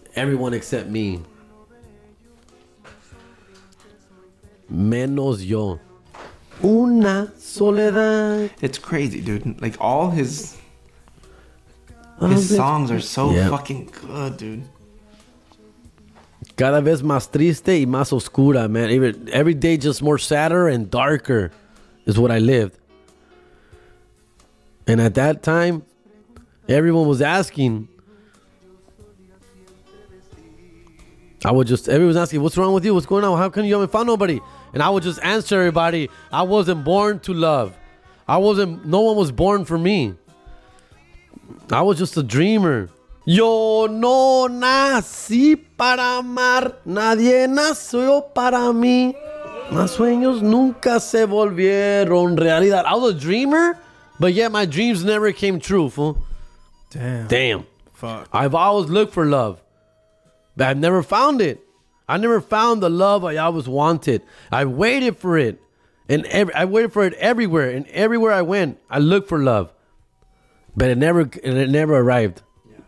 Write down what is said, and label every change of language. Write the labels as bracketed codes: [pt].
[en] Everyone except me. [es] Menos yo. Una soledad. [en] It's crazy, dude. Like all his songs are so fucking good, dude. [es] Cada vez más triste y más oscura, man. [en] Every day just more sadder and darker is what I lived. And at that time, everyone was asking, I would just, everyone's asking, what's wrong with you? What's going on? How come you haven't found nobody? And I would just answer everybody, I wasn't born to love. I wasn't, no one was born for me. I was just a dreamer. [es] Yo no nací para amar, nadie nació para mí. Mis sueños nunca se volvieron realidad. [en] I was a dreamer, but yet my dreams never came true, fool. Damn. Damn. Fuck. I've always looked for love, but I've never found it. I never found the love I always wanted. I waited for it, and I waited for it everywhere. And everywhere I went, I looked for love, but it never arrived. Yeah.